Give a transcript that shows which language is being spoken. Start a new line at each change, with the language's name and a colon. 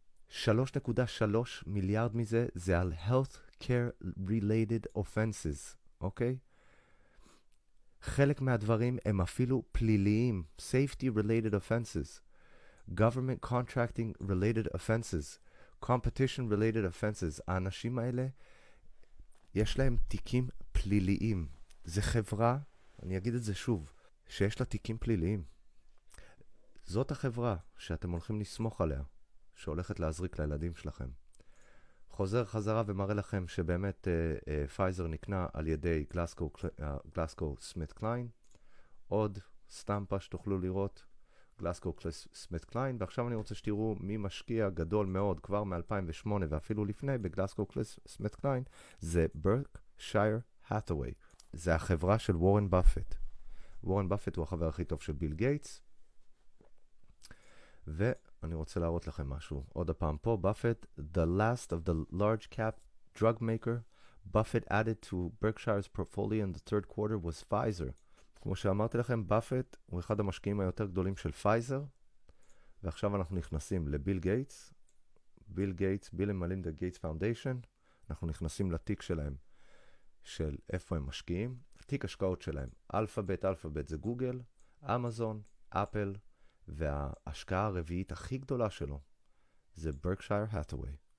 Hebrew: 3.3 מיליארד מזה זה על
English: healthcare related offenses,
Hebrew: אוקיי? חלק מהדברים הם אפילו פליליים,
English: safety related offenses, government contracting related offenses, competition related offenses.
Hebrew: האנשים האלה יש להם תיקים פליליים. זה חברה, אני אגיד את זה שוב, שיש לה תיקים פליליים. זאת החברה שאתם הולכים לסמוך עליה שהולכת להזריק לילדים שלכם. חוזר חזרה ומראה לכם שבאמת פייזר נקנה על ידי GlaxoSmithKline. עוד סטמפה שתוכלו לראות, GlaxoSmithKline. ועכשיו אני רוצה שתראו מי משקיע גדול מאוד כבר מ-2008 ואפילו לפני ב-GlaxoSmithKline. זה Berkshire Hathaway, זה החברה של וורן באפט. וורן באפט הוא החבר הכי טוב של ביל גייטס. ואני רוצה להראות לכם משהו עוד הפעם פה.
English: באפט, the last of the large cap drug maker Buffett added to Berkshire's portfolio in the third quarter was Pfizer.
Hebrew: כמו שאמרתי לכם, באפט הוא אחד המשקיעים היותר גדולים של פייזר, ועכשיו אנחנו נכנסים לביל גייטס, ביל גייטס, ביל ומלינדה גייטס פאונדיישן. אנחנו נכנסים לתיק שלהם, של איפה הם משקיעים, תיק השקעות שלהם. אלפאבית, אלפאבית זה גוגל, אמזון, אפל, וההשקעה הרביעית הכי גדולה שלו זה ברקשייר האטווי.